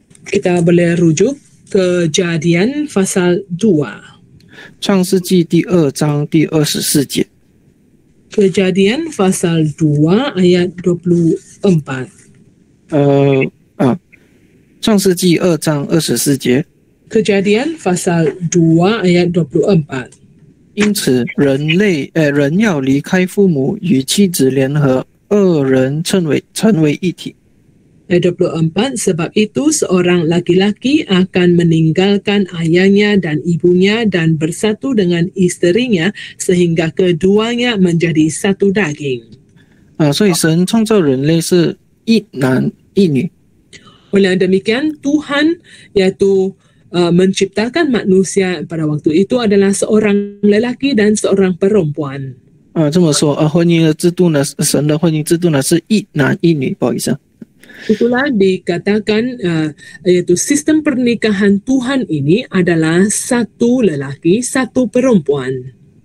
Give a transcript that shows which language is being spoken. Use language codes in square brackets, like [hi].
[ms] Kita boleh rujuk kejadian pasal dua. [zh] 创世纪第二章第二十四节。 [ms] Kejadian pasal dua ayat 24. [zh] 创世纪二章二十四节。 [ms] Kejadian pasal dua ayat 24. [zh] 因此人要离开父母与妻子联合，二人成为一体。 [ms] Ayat 24, sebab itu seorang laki-laki akan meninggalkan ayahnya dan ibunya dan bersatu dengan isterinya sehingga keduanya menjadi satu daging. [zh] 所以神创造人类是一男一女。 [ms] Oleh demikian Tuhan yaitu menciptakan manusia pada waktu itu adalah seorang lelaki dan seorang perempuan. [zh] 这么说婚姻的制度呢，神的婚姻制度呢是一男一女，不好意思。 [ms] Itulah dikatakan yaitu sistem pernikahan Tuhan ini adalah satu lelaki satu perempuan.